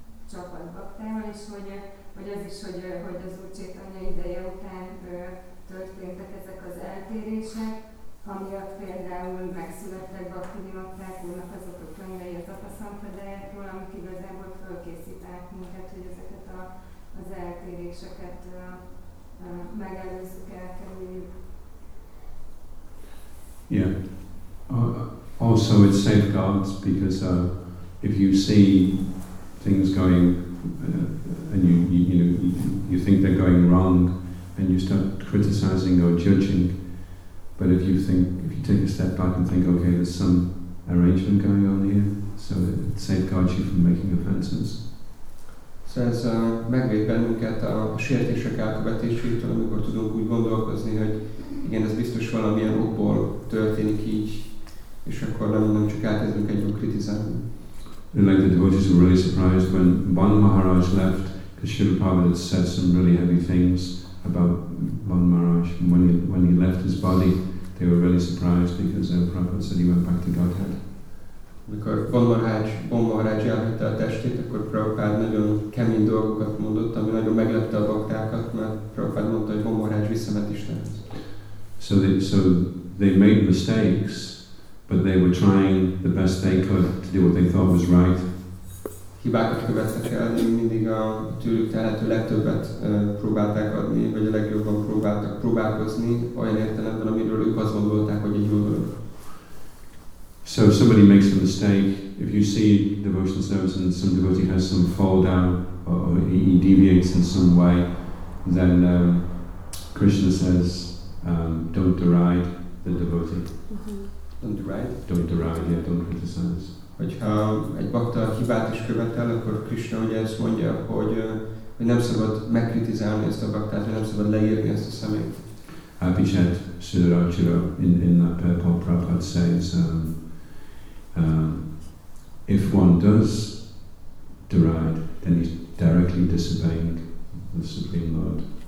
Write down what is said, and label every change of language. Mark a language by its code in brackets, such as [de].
[hu] csapat baktával, és hogy az is, hogy az Úr Csaitanya ideje után történtek ezek az eltérések, amiatt például megszülettek Bhaktivinoda Thakurnak azok a könyvei a Tathasampradayáról, amik igazából fölkészítenek minket, hogy ezeket a az eltéréseket megelőzzük, elkerüljük. [en] Yeah. Also it safeguards because if you see things going and you think they're going wrong and you start criticizing or judging, but if you take a step back and think, okay, there's some arrangement going on here, so it safeguards you from making offenses. [hu] So ez megvéd bennünket a sértések elkövetésétől, amikor tudunk úgy gondolkozni, hogy igen, ez biztos valamilyen okból történik így, és akkor nem csak elkezdünk egyből kritizálni. [en] And like the devotees were really surprised when Bhanu Maharaj left, because Srila Prabhupada had said some really heavy things about Bhanu Maharaj. And when he left his body, they were really surprised because their Prabhupada said he went back to Godhead. [hu] Mikor Bhanu Maharaj elhagyta a testét, akkor Prabhupada nagyon kemény dolgokat mondott, ami nagyon meglepte a baktákat, mert Prabhupada mondta, hogy Bhanu Maharaj visszament Istenhez. [en] So they made mistakes, but they were trying the best they could to do what they thought was right. [hu] Hibákat követtek el, de mindig a tőlük telhető legtöbbet próbálták adni, vagy a legjobban próbáltak próbálkozni olyan értelemben, amiről ők azt gondolták, hogy egy jó dolog. [en] So if somebody makes a mistake, if you see devotional service and some devotee has some fall down or he deviates in some way, then Krishna says, don't deride the devotee. Don't deride. Don't deride, yeah, don't criticize. [hu] Hogyha egy bhakta hibát is követel, akkor Krishna ugye ezt mondja, hogy nem szabad megkritizálni ezt a baktát, nem szabad leírni ezt a szemét. [en] Abhishek Sridharachira in that purport Prabhupada says, if one does deride, then he's directly disobeying the Supreme Lord.